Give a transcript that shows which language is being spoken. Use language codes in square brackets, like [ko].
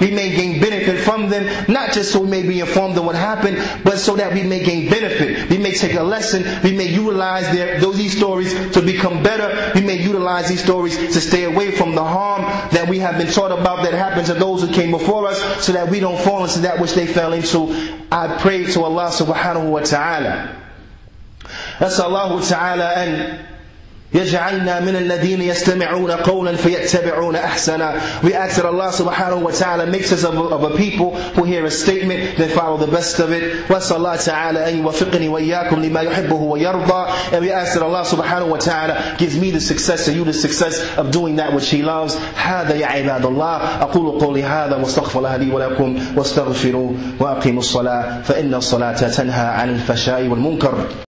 [en] We may gain benefit from them. Not just so we may be informed of what happened, but so that we may gain benefit. We may take a lesson. We may utilize these stories to become better. We may utilize these stories to stay away from the harm that we have been taught about that happened to those who came before us, so that we don't fall into that which they fell into. I pray to Allah subhanahu wa ta'ala. [ar] أسأل الله تعالى أن يجعلنا من الذين يستمعون قولا فيتبعون أحسنا. [en] We ask that Allah subhanahu wa ta'ala makes us of a people who hear a statement, then follow the best of it. [ar] وأسأل الله تعالى أن يوفقني وإياكم لما يحبه ويرضى. [en] And we ask that Allah subhanahu wa ta'ala gives me the success and you the success of doing that which He loves. [ar] هذا يا عباد الله أقول قولي هذا واستغفر الله لي ولكم واستغفروا وأقيموا الصلاة فإن الصلاة تنهى عن الفحشاء والمنكر.